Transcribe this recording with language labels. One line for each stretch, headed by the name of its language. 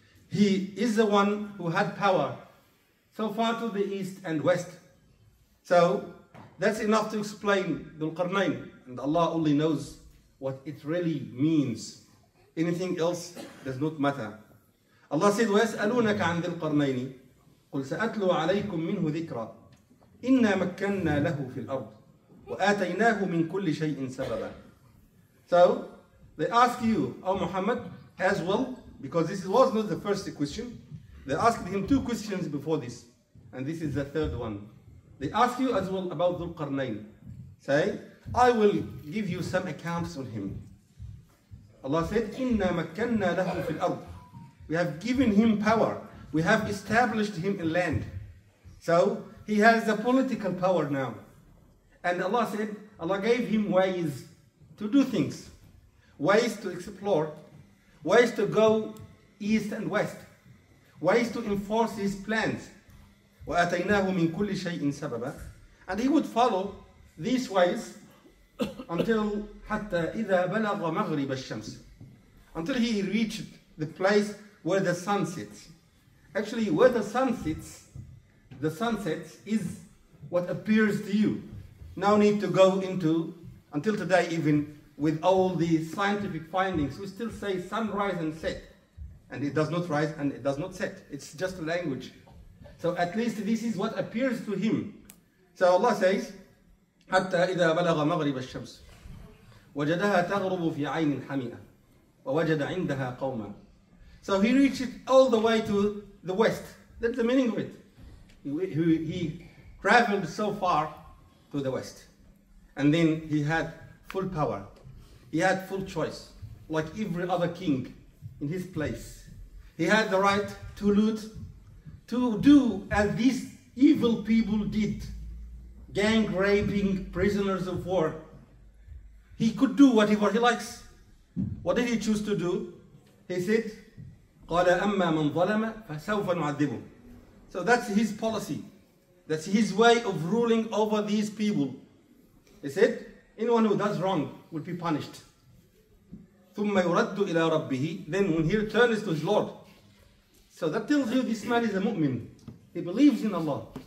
English: He is the one who had power so far to the east and west. So that's enough to explain Dhul-Qarnayn, and Allah only knows what it really means. Anything else does not matter. Allah said,
Arabic: وَيَسْأَلُونَكَ عَنْ ذِي الْقَرْنَيْنِ قُلْ سَأَتْلُوا عَلَيْكُمْ مِنْهُ ذِكْرًا إِنَّا مَكَّنَّا لَهُ فِي الْأَرْضِ وَآتَيْنَاهُ مِنْ كُلِّ شَيْءٍ سَبَبًا.
English: So, they ask you, oh Muhammad, as well, because this was not the first question. They asked him two questions before this, and this is the third one. They ask you as well about Dhul-Qarnayn. Say, I will give you some accounts on him. Allah said,
Arabic: إِنَّا مَكَّنَّا لَهُ فِي الْأَرْضِ.
English: We have given him power. We have established him in land. So he has the political power now. And Allah said, Allah gave him ways to do things, ways to explore, ways to go east and west, ways to enforce his plans.
Arabic: وَآتَيْنَاهُ مِنْ كُلِّ شَيْءٍ سَبَبًا.
English: And he would follow these ways until
Arabic: حَتَّى إِذَا بَلَغَ مَغْرِبَ الشَّمْسِ,
English: until he reached the place where the sun sets. Actually, where the sun sets is what appears to you. No need to go into, until today even, with all the scientific findings, we still say sunrise and set. And it does not rise and it does not set. It's just language. So at least this is what appears to him. So Allah says,
Arabic: حَتَّى إِذَا بَلَغَ مَغْرِبَ الشَّمْسِ وَجَدَهَا تَغْرُبُ فِي عَيْنٍ حَمِئَةٍ وَوَجَدَ عِنْدَهَا قَوْمًا.
English: So he reached all the way to the west. That's the meaning of it. He traveled so far to the west. And then he had full power. He had full choice, like every other king in his place. He had the right to loot, to do as these evil people did, gang raping prisoners of war. He could do whatever he likes. What did he choose to do? He said,
Arabic: قَالَ أَمَّا مَنْ ظَلَمَ فَسَوْفَ نُعَذِّبُهُ.
English: So that's his policy. That's his way of ruling over these people. He said, anyone who does wrong will be punished.
Arabic: ثُمَّ يُرَدُّ إِلَىٰ رَبِّهِ.
English: Then when he returns to his Lord. So that tells you this man is a mu'min. He believes in Allah.